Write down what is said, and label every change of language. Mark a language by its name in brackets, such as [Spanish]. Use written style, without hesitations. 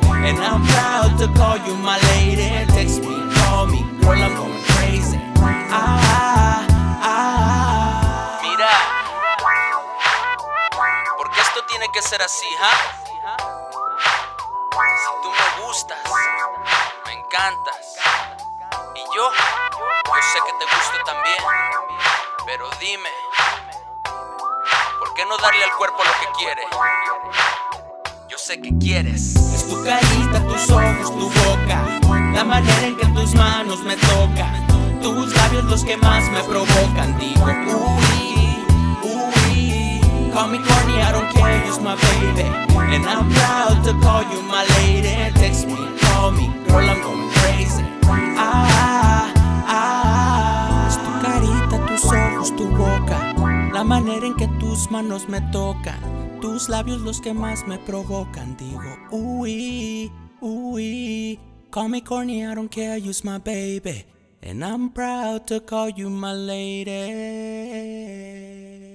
[English] And I'm proud to call you my lady. Text me, call me, girl, I'm going crazy. Ah, ah, ah, ah. [Spanish] Mira, ¿por qué esto tiene que ser así, ha? ¿Huh? Si tú me gustas, me encantas, y yo sé que te gusto también. Pero dime, ¿por qué no darle al cuerpo lo que quiere? Yo sé que quieres. Es tu carita, tus ojos, tu boca, la manera en que tus manos me tocan. Tus labios los que más me provocan. Digo, uy, uy, [English] call me corny, I don't care, you's my baby. And I'm proud to call you my lady. Text me, call me, girl, I'm going crazy. Ah, ah, ah, ah. [Spanish] Tus ojos, tu boca, la manera en que tus manos me tocan. Tus labios los que más me provocan. Digo, uy, uy, [English] call me corny, I don't care, you's my baby. And I'm proud to call you my lady.